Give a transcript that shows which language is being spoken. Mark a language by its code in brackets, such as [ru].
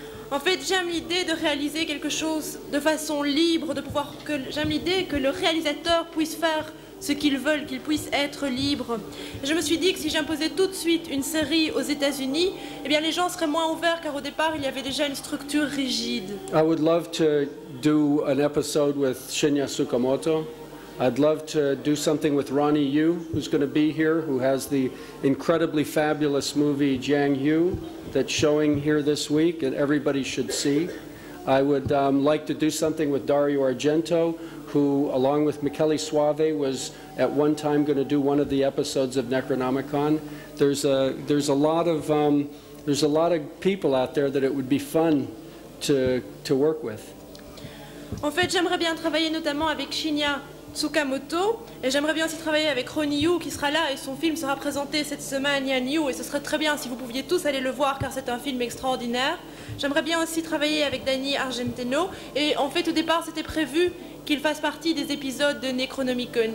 [fr] En fait, j'aime l'idée de réaliser quelque chose de façon libre, de pouvoir que j'aime l'idée que le réalisateur puisse faire ce qu'il veut, qu'il puisse être libre. Et je me suis dit que si j'imposais tout de suite une série aux États-Unis, eh bien les gens seraient moins ouverts, car au départ il y avait déjà une structure rigide. [en] I would love to do an episode with Shinya Tsukamoto. I'd love to do something with Ronnie Yu, who's going to be here, who has the incredibly fabulous movie Jiang Yu that's showing here this week and everybody should see. I would like to do something with Dario Argento, who, along with Michele Suave, was at one time going to do one of the episodes of Necronomicon. There's a lot of people out there that it would be fun to work with. [fr] En fait, j'aimerais bien travailler notamment avec Shinya Tsukamoto, et j'aimerais bien aussi travailler avec Ronnie Yu, qui sera là et son film sera présenté cette semaine à New, et ce serait très bien si vous pouviez tous aller le voir, car c'est un film extraordinaire. J'aimerais bien aussi travailler avec Danny Argenteno, et en fait au départ c'était prévu qu'il fasse partie des épisodes de Necronomicon.